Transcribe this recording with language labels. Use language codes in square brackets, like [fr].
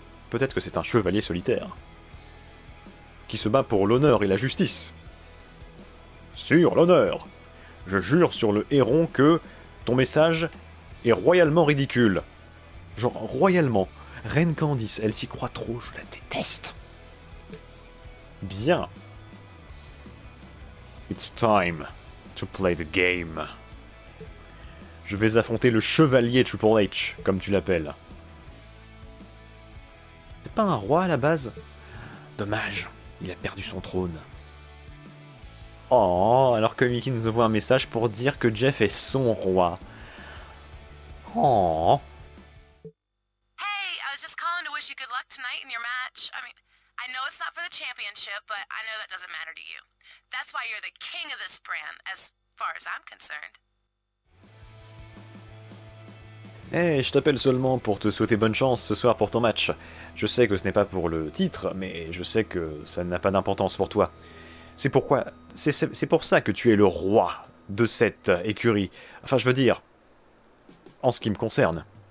[fr] Peut-être que c'est un chevalier solitaire qui se bat pour l'honneur et la justice. Sur l'honneur, je jure sur le héron que ton message est royalement ridicule. Genre, royalement. Reine Candice, elle s'y croit trop, je la déteste. Bien. [en] It's time to play the game. [fr] Je vais affronter le chevalier Triple H, comme tu l'appelles. C'est pas un roi à la base ? Dommage, il a perdu son trône. Oh, alors que Mickey nous envoie un message pour dire que Jeff est son roi. Oh. [en] Hey, I was just calling to wish you good luck tonight in your match. I mean, I know it's not for the championship, but I know that doesn't matter to you. That's why you're the king of this brand, as far as I'm concerned. [fr] Hey, je t'appelle seulement pour te souhaiter bonne chance ce soir pour ton match. Je sais que ce n'est pas pour le titre, mais je sais que ça n'a pas d'importance pour toi. C'est pour ça que tu es le roi de cette écurie. Enfin, je veux dire, en ce qui me concerne.